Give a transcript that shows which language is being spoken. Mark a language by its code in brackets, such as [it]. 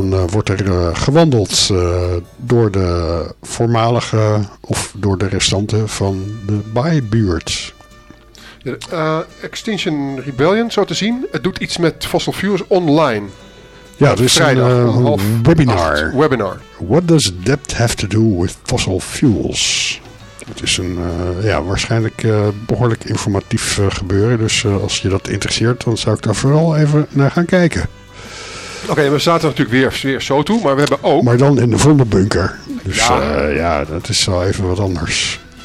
[nl] Wordt er gewandeld door de voormalige of door de restanten van de bijbuurt. Extinction Rebellion, zo te zien. Het doet iets met fossil fuels online. Ja, het is vrijdag, een webinar. Webinar. [en] What does debt have to do with fossil fuels? [nl] Het is een waarschijnlijk behoorlijk informatief gebeuren. Dus als je dat interesseert, dan zou ik daar vooral even naar gaan kijken. Oké, we zaten natuurlijk weer zo toe, maar we hebben ook... Maar dan in de Vondelbunker. Dus dat is wel even wat anders.